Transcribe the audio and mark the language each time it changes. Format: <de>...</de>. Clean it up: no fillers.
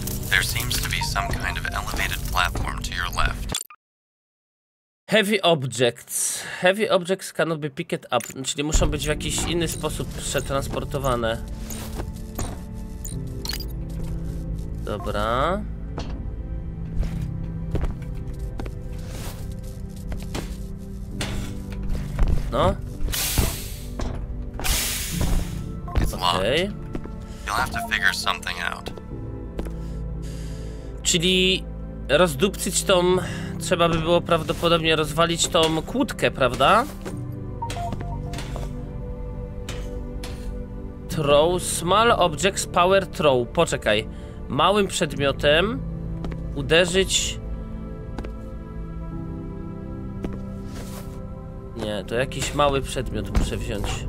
<en>There seems to be some kind of elevated platform to your left. Heavy objects. Heavy objects cannot be picked up.</en> <pl>Czyli muszą być w jakiś inny sposób przetransportowane. Dobra. No. Okej.</pl> <en>You'll have to figure something out.</en> <pl>Czyli rozdupcić tą, trzeba by było prawdopodobnie rozwalić tą kłódkę, prawda?</pl> <en>Throw small objects power throw.</en> <pl>Poczekaj. Małym przedmiotem uderzyć. Nie, to jakiś mały przedmiot muszę wziąć.</pl>